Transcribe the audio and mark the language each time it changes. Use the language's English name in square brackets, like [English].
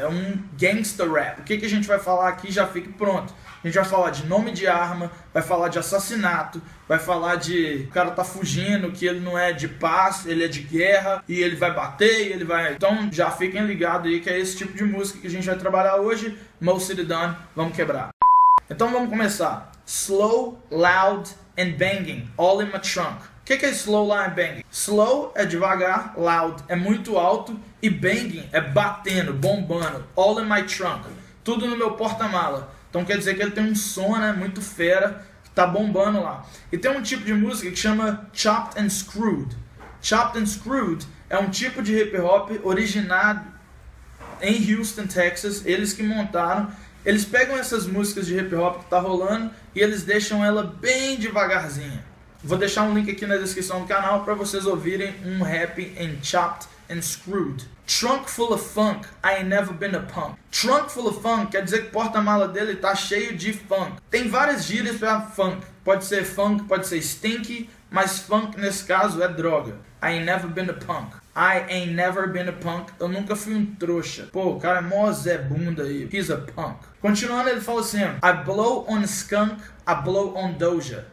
[Portuguese] É um gangster rap. O que a gente vai falar aqui já fique pronto. A gente vai falar de nome de arma, vai falar de assassinato, vai falar de o cara tá fugindo, que ele não é de paz, ele é de guerra, e ele vai bater, e ele vai... Então já fiquem ligados aí que é esse tipo de música que a gente vai trabalhar hoje. Mo City Done, vamos quebrar. Então vamos começar. [English] Slow, loud and banging, all in my trunk. [Portuguese] O que é [English] slow, loud and banging? [Portuguese] Slow é devagar, loud é muito alto, e banging é batendo, bombando, [English] all in my trunk. [Portuguese] Tudo no meu porta-mala. Então quer dizer que ele tem um som, né, muito fera, que tá bombando lá. E tem um tipo de música que chama Chopped and Screwed. Chopped and Screwed é um tipo de hip hop originado em Houston, Texas. Eles que montaram. Eles pegam essas músicas de hip hop que tá rolando e eles deixam ela bem devagarzinha. Vou deixar um link aqui na descrição do canal pra vocês ouvirem um rap em Chopped and Screwed. [English] Trunk full of funk, I ain't never been a punk. Trunk full of funk [Portuguese] quer dizer que o porta-mala dele tá cheio de funk. Tem várias gírias pra funk. Pode ser funk, pode ser stinky, mas funk nesse caso é droga. [English] I ain't never been a punk. I ain't never been a punk. [Portuguese] Eu nunca fui um trouxa. Pô, o cara é mó Zé Bunda aí. [English] He's a punk. [Portuguese] Continuando, ele fala assim: [English] I blow on skunk, I blow on Doja.